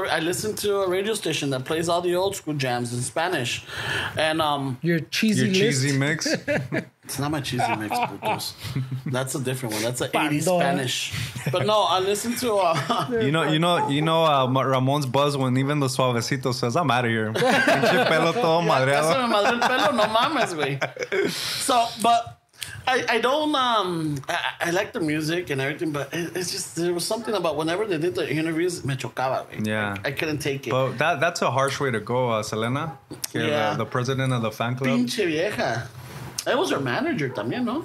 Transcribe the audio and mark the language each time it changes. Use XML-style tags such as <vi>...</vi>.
<en>I listen to a radio station that plays all the old school jams in Spanish, and your cheesy mix. It's not my cheesy mix, Brutus. That's a different one. That's an 80s Spanish. But no, I listen to. You know, Ramon's buzz when even the suavecito says, "I'm out of here."</en> <es>Pinche pelo todo madreado. Eso me madre el pelo, no mames, güey.</es> <en>So, but I don't. I like the music and everything, but it's just there was something about whenever they did the interviews, me chocaba, güey. Yeah, I couldn't take it. But that's a harsh way to go, Selena. Yeah, the president of the fan club. Pinche vieja. It was her manager, también, no?</en>